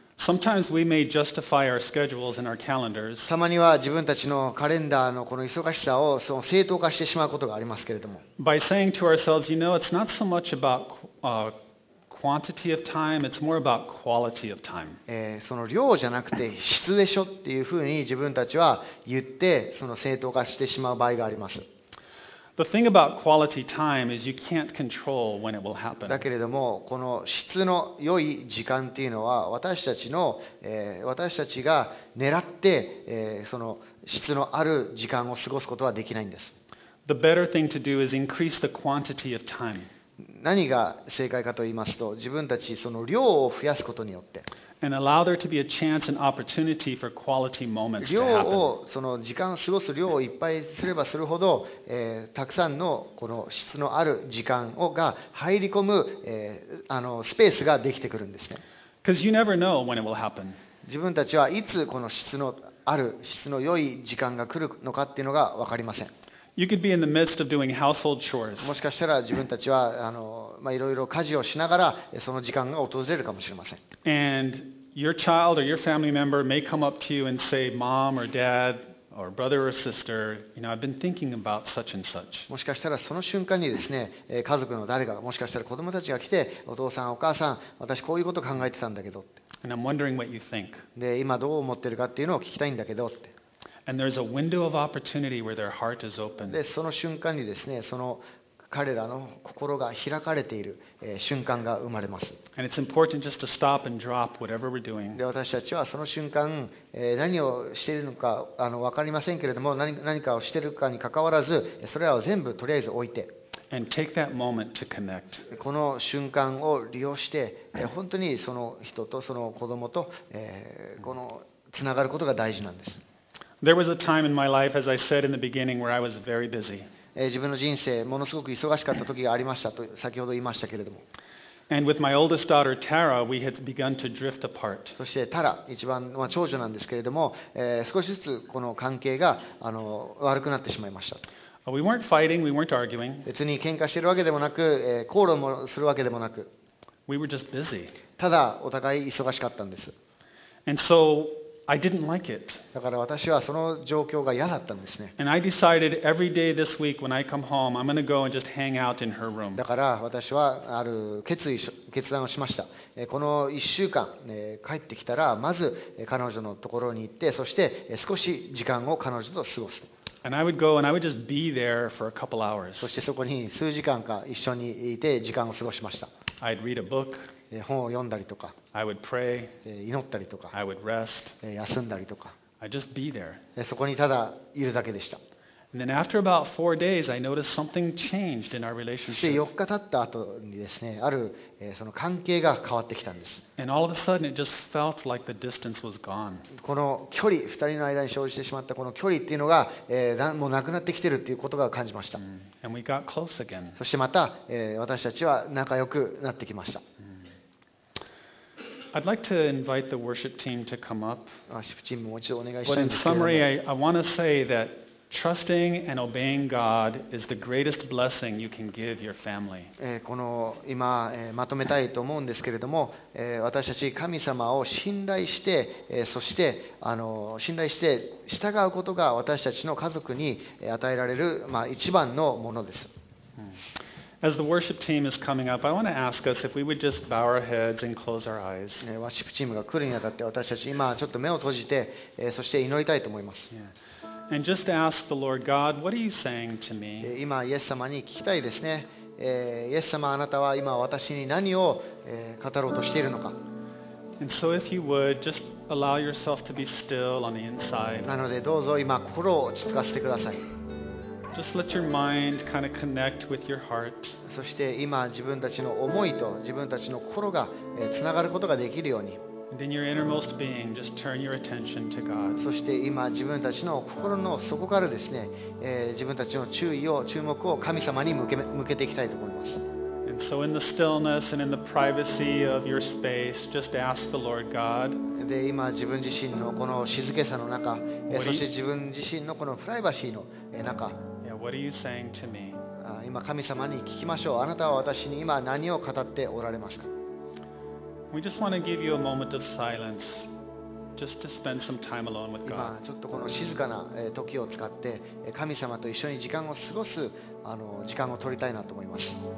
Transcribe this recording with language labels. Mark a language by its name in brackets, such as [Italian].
[English] Sometimes we may justify our schedules and our calendars. [Japanese] たまには自分たちのカレンダーのこの忙しさをその正当化してしまうことがありますけれども。 [English] By saying to ourselves, you know, it's not so much about quantity of time, it's more about quality of time. [Japanese] その量じゃなくて質でしょっていうふうに自分たちは言ってその正当化してしまう場合があります。 [English] The thing about quality time is you can't control when it will happen. [Japanese] だけれどもこの質の良い時間っていうのは私たちの、私たちが狙って、その質のある時間を過ごすことはできないんです。 [English] The better thing to do is increase the quantity of time. [Japanese] 何が正解かと言いますと自分たちその量を増やすことによって [English] And allow there to be a chance and opportunity for quality moments to happen. [Japanese] 量をその時間を過ごす量をいっぱいすればするほど、たくさんのこの質のある時間をが入り込む、スペースができてくるんですね。 [English] Because you never know when it will happen. [Japanese] 自分たちはいつこの質のある質の良い時間が来るのかっていうのが分かりません。 [English] You could be in the midst of doing household chores. [Japanese] もしかしたら自分たちはいろいろ家事をしながらその時間が訪れるかもしれません。 [English] And your child or your family member may come up to you and say, "Mom or Dad or brother or sister, you know, I've been thinking about such and such." [Japanese] もしかしたらその瞬間にですね、家族の誰かもしかしたら子供たちが来て、お父さんお母さん、私こういうこと考えてたんだけどって。 [English] And I'm wondering what you think. [Japanese] で今どう思ってるかっていうのを聞きたいんだけどって。 [English] And there's a window of opportunity where their heart is open. [Japanese] で、その瞬間にですね、その彼らの心が開かれている、瞬間が生まれます。 [English] And it's important just to stop and drop whatever we're doing. [Japanese] で、私たちはその瞬間、何をしているのか、分かりませんけれども、何かをしているかに関わらず、それらを全部とりあえず置いて。 [English] And take that moment to connect. [Japanese] この瞬間を利用して、本当にその人とその子供と、このつながることが大事なんです。 [English] There was a time in my life, as I said in the beginning, where I was very busy. [Japanese] 自分の人生ものすごく忙しかった時がありましたと先ほど言いましたけれども。 [English] And with my oldest daughter Tara, we had begun to drift apart. [Japanese] そしてタラ、一番長女なんですけれども、少しずつこの関係が悪くなってしまいました。 [English] We weren't fighting, we weren't arguing. [Japanese] 別に喧嘩してるわけでもなく、口論もするわけでもなく。 [English] We were just busy. [Japanese] ただお互い忙しかったんです。 [English] And so,I didn't like it. [Japanese] だから私はその状況が嫌だったんですね。 [English] And I decided every day this week when I come home, I'm going to go and just hang out in her room. [Japanese] だから私はある決断をしました。この1週間帰ってきたらまず彼女のところに行って、そして少し時間を彼女と過ごす。 [English] And I would go and I would just be there for a couple hours. [Japanese] そしてそこに数時間か一緒にいて時間を過ごしました。 [English] I'd read a book. [Japanese] 本を読んだりとか、 [English] I would pray, [Japanese] 祈ったりとか、 [English] I would rest, [Japanese] 休んだりとか、 [English] I'd just be there. [Japanese] そこにただいるだけでした。 [English] And then after about four days, I noticed something changed in our relationship. [Japanese] そして4日経った後にですね、ある、その関係が変わってきたんです。 [English] And all of a sudden, it just felt like the distance was gone. [Japanese] この距離、2人の間に生じてしまったこの距離っていうのが、もうなくなってきてるっていうことが感じました。 [English] And we got close again. [Japanese] そしてまた、私たちは仲良くなってきました。 [English] I'd like to invite the worship team to come up. But in summary, I want to say that trusting and obeying God is the greatest blessing you can give your family. [Japanese] この今まとめたいと思うんですけれども、私たち神様を信頼して、そして信頼して従うことが私たちの家族に与えられる一番のものです。 [English] As the worship team is coming up, I want to ask us if we would just bow our heads and close our eyes. [Japanese] ワーシップチームが来るにあたって、私たち今ちょっと目を閉じて、そして祈りたいと思います。 [English] And just ask the Lord God, what are you saying to me? [Japanese] 今イエス様に聞きたいですね。イエス様、あなたは今私に何を語ろうとしているのか。 [English] And so if you would, just allow yourself to be still on the inside. [Japanese] なのでどうぞ今心を落ち着かせてください。 [English] Just let your mind kind of connect with your heart. [Japanese] そして今自分たちの思いと自分たちの心がつながることができるように。 [English] In your innermost being, just turn your attention to God. [Japanese] そして今自分たちの心の底からですね、自分たちの注目を神様に向けていきたいと思います。 [English] And so in the stillness and in the privacy of your space, just ask the Lord God. [Japanese] で今自分自身のこの静けさの中、そして自分自身のこのプライバシーの中、 [English] yeah, what are you saying to me? [Japanese] 今神様に聞きましょう。あなたは私に今何を語っておられますか。 [English] We just want to give you a moment of silence, just to spend some time alone with God. [Japanese] 今ちょっとこの静かな時を使って神様と一緒に時間を過ごす時間を取りたいなと思います。